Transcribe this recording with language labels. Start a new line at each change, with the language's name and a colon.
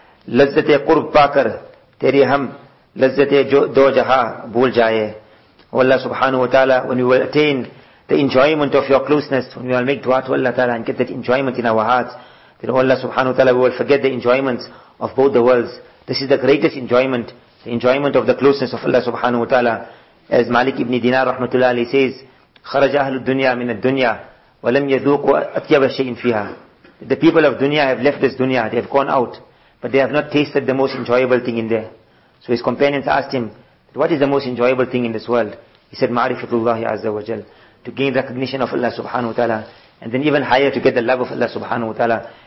Urdu: Lazzate qurb paakar, tere ham, lazzate do jaha, bool jaye.
English: O Allah subhanahu wa ta'ala, when we will attain the enjoyment of your closeness, when we will make dua to Allah ta'ala and get that enjoyment in our hearts, then O Allah subhanahu wa ta'ala, we will forget the enjoyments of both the worlds. This is the greatest enjoyment, the enjoyment of the closeness of Allah subhanahu wa ta'ala. As Malik ibn Dinar rahmatullah alayhi says,
Arabic: خرج أهل الدنيا من الدنيا ولم يذوقوا أطيب شيء فيها.
English: The people of dunya have left this dunya, they have gone out, but they have not tasted the most enjoyable thing in there. So his companions asked him, what is the most enjoyable thing in this world? He said, معرفتullah عز وجل, to gain recognition of Allah subhanahu wa ta'ala, and then even higher, to get the love of Allah subhanahu wa ta'ala.